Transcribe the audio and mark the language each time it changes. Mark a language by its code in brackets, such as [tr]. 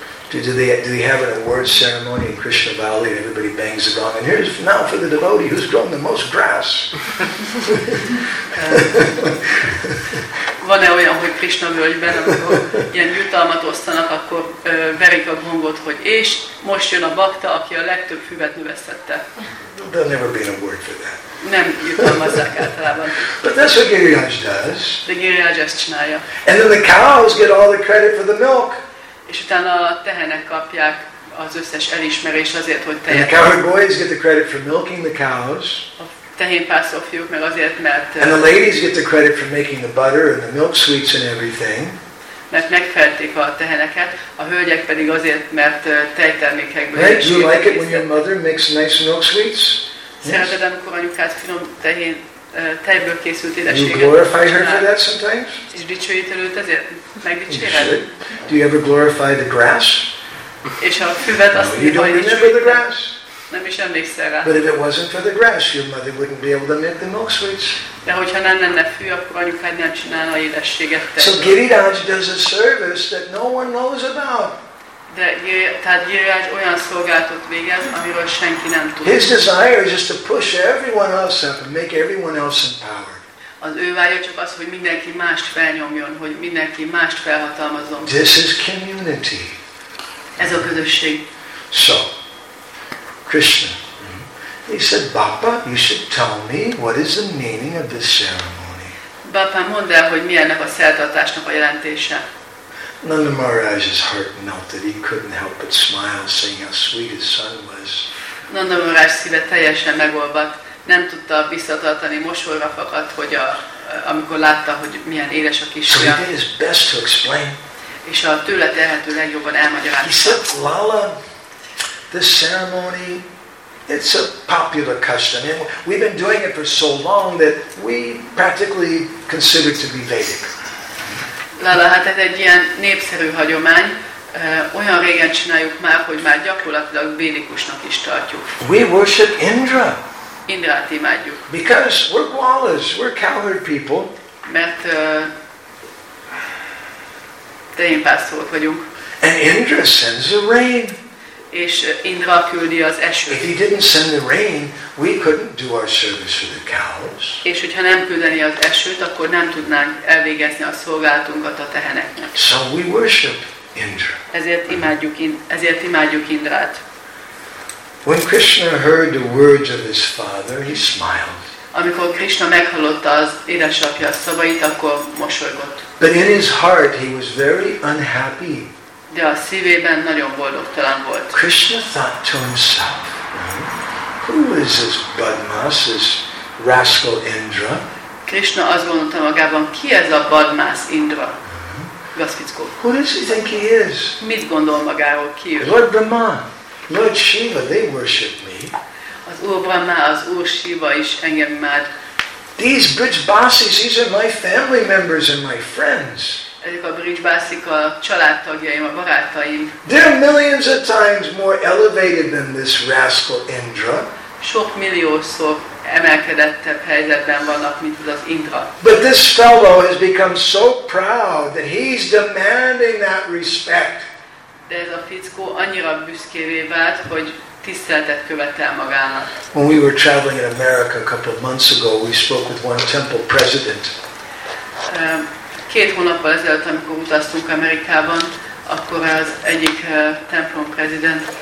[en] Do they have an award ceremony in Krishna Valley and everybody bangs the gong and here's now for the devotee who's grown the most grass? [hu] Van-e olyan, hogy Krishna völgyben, amikor ilyen jutalmat osztanak, akkor verik a gongot, hogy és most jön a bakta, aki a legtöbb füvet növesztette. [en] There'll never be an award for that. [hu] Nem jutalmazzák általában. [en] But that's what Giriraj does. [hu] De Giriraj ezt csinálja. [en] And then the cows get all the credit for the milk. [hu] És utána a tehenek kapják az összes elismerést azért, hogy tehenek. [en] And the cowherd boys get the credit for milking the cows. [hu] A tehénpászó fiúk meg azért, mert... [en] And the ladies get the credit for making the butter and the milk sweets and everything. [hu] Mert megfelték a teheneket, a hölgyek pedig azért, mert tejtermékekből... [en] Right? Do you like it when your mother makes nice milk sweets? [hu] Szereted, amikor anyukád finom tehén... tejből készült édeséget. [en] You glorify her for that sometimes? [hu] És dicsőítel őt ezért? Megdicséred? [en] Do you ever glorify the grass? [hu] És a füvet azt mondja, hogy dicsőítel. [en] You don't remember the grass? [hu] Nem is emlékszel rá. [en] But if it wasn't for the grass, your mother wouldn't be able to make the milk sweets. [hu] De hogyha nem lenne fű, akkor anyukád nem csinálna édességet. [en] So Giriraj does a service that no one knows about. [hu] De tehát Giriraj olyan szolgálatot végez, amiről senki nem tud. [en] His desire is just to push everyone else up and make everyone else empowered. [hu] Az ő vágya csak az, hogy mindenki mást felnyomjon, hogy mindenki mást felhatalmazzon. [en] This is community. [hu] Ez a közösség. [en] So, Krishna, he said, Bapa, you should tell me what is the meaning of this ceremony. [hu] Bapa, mondd el, hogy mi ennek a szertartásnak a jelentése. [en] Nanda Maharaj's heart melted. He couldn't help but smile, saying how sweet his son was. [hu] Nanda Maharaj szíve teljesen megolvadt. Nem tudta visszatartani mosolyra fakadt, hogy amikor látta, hogy milyen édes a kisfia. [en] So he did his best to explain. [hu] És a tőle tehető legjobban elmagyarázta. [en] He said, Lala, this ceremony, it's a popular custom. We've been doing it for so long that we practically consider it to be Vedic. [hu] Lala, hát ez egy ilyen népszerű hagyomány. Olyan régen csináljuk már, hogy már gyakorlatilag védikusnak is tartjuk. [en] We worship Indra. [hu] Indrát imádjuk. [en] Because we're gwalas, we're cowherd people. [hu] Mert tehénpásztorok vagyunk. [en] And Indra sends the rain. [hu] És Indra küldi az esőt. [en] If he didn't send the rain, we couldn't do our service for the cows. [hu] És hogyha nem küldeni az esőt, akkor nem tudnánk elvégezni a szolgálatunkat a teheneknek. [en] So we worship Indra. [hu] Ezért imádjuk Indrát. [en] When Krishna heard the words of his father, he smiled. [hu] Amikor Krishna meghallotta az édesapja szavait, akkor mosolygott. [en] But in his heart, he was very unhappy. [hu] De a szívében nagyon boldogtalan volt. [en] Krishna thought to himself, who is this Badmas, this rascal Indra? [hu] Krishna azt gondolta magában, ki ez a Badmas Indra? Gaszfickó. [en] Who does he think he is? [hu] Mit gondol magáról, ki ő? [en] Lord Brahma, Lord Shiva, they worship me. [hu] Az Úr Brahma, az Úr Shiva is engem imád. [en] These bridge bossies, these are my family members and my friends. [hu] Ezek a bridge bossik a családtagjaim, a barátaim. [en] They're millions of times more elevated than this rascal Indra. [hu] Sok milliószor emelkedettebb helyzetben vannak, mint az Indra. [en] But this fellow has become so proud that he's demanding that respect. [hu] De ez a fickó annyira büszkévé vált, hogy tiszteletet követel magának. [en] When we were traveling in America a couple of months ago, we spoke with one temple president. [hu] Két hónappal ezelőtt, amikor utaztunk Amerikában, akkor az egyik templom prezident.